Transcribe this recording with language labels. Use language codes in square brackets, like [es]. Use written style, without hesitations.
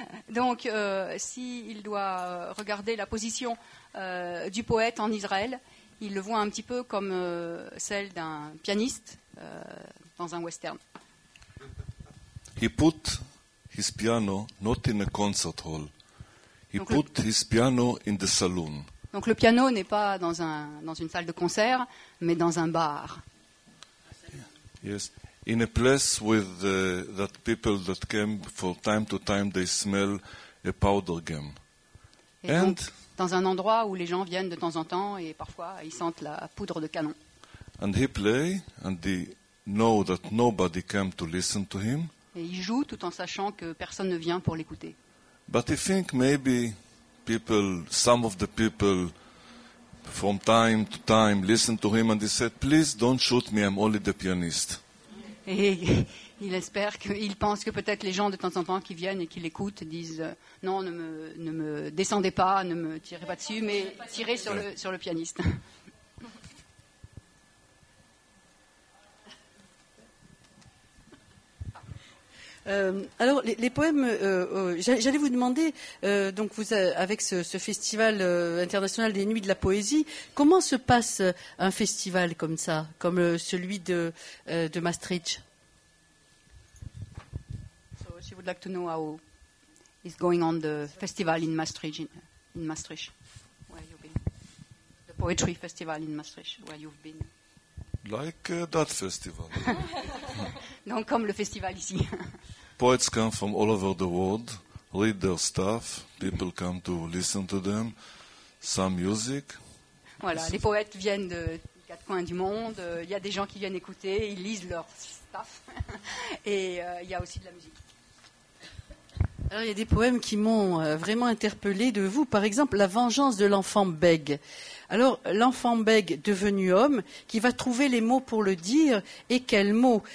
[fr] Donc, s'il doit regarder la position du poète en Israël, il le voit un petit peu comme celle d'un pianiste dans un western. [en] He put his piano not in a concert hall. He put his piano in the saloon. [fr] Donc le piano n'est pas dans une salle de concert, mais dans un bar. [en] Yes, in a place with that people that came for time to time, they smell a powder game. [fr] And dans un endroit où les gens viennent de temps en temps et parfois ils sentent la poudre de canon. [en] And he play and they know that nobody came to listen to him. [fr] Et il joue tout en sachant que personne ne vient pour l'écouter. [en] But I think maybe people, some of the people, from time to time, listened to him and they said, "Please don't shoot me. I'm only the pianist." [fr] Et il espère qu'il pense que peut-être les gens de temps en temps qui viennent et qui l'écoutent disent non, ne me descendez pas, ne me tirez pas dessus, mais tirez sur le pianiste. Alors les poèmes, j'allais vous demander, donc vous avec ce festival international des nuits de la poésie, comment se passe un festival comme ça, comme celui de Maastricht? [en] So she would like to know how is going on the festival in Maastricht, in Maastricht, where you've been, the poetry festival in Maastricht, where you've been. Like that festival. [fr] Donc comme le festival ici. [en] Poets come from all over the world, read their stuff, people come to listen to them, some music. [fr] Voilà, les poètes viennent de quatre coins du monde, il y a des gens qui viennent écouter, ils lisent leur stuff, et il y a aussi de la musique. Alors il y a des poèmes qui m'ont vraiment interpellée de vous, par exemple « La vengeance de l'enfant bègue ». Alors l'enfant bègue devenu homme qui va trouver les mots pour le dire, et quels mots?